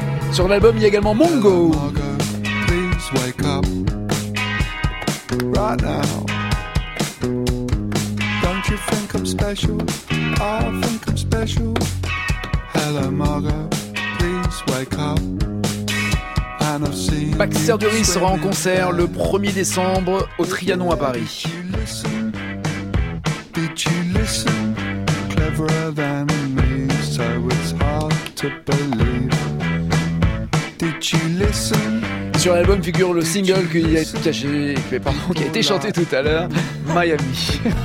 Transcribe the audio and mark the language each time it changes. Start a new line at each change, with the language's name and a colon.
French: Sur l'album, il y a également Mongo. Mongo, please
English: just wake up right now. Don't you think I'm special? I think I'm special. Hello, Margot, please wake up.
French: Baxter Dury sera en concert le 1er décembre au Trianon à Paris.
English: Did you listen? Cleverer than me, so it's hard to believe. Did you listen?
French: Sur l'album figure le single qui a été caché, pardon, qui a été chanté tout à l'heure, Miami.